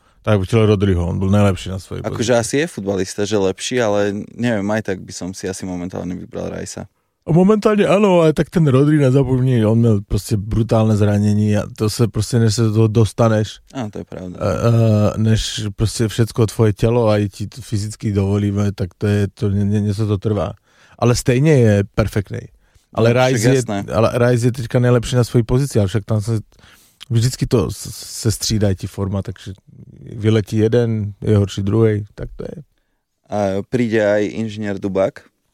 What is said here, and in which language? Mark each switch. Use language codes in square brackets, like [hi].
[sk] Tak by chcel Rodriho, on bol najlepší na svojej pozícii. Akože asi je futbalista, že lepší, ale neviem, aj tak by som si asi momentálne vybral Rajsa. [cs] Momentálne áno, ale tak ten Rodri nezapomní, on měl prostě brutálne zranění a to se prostě, než se do toho dostaneš. [sk] Áno, to je pravda. [cs] Než prostě všetko tvoje tělo a i ti to fyzicky dovolíme, tak to je, to něco to trvá. Ale stejně je perfektný. Ale Rajs je teďka nejlepší na svojí pozici, ale však tam se vždycky to se střídají ti forma, takže vyletí jeden, je horší druhej, tak to je. [sk] A príde aj inžinier Dubak.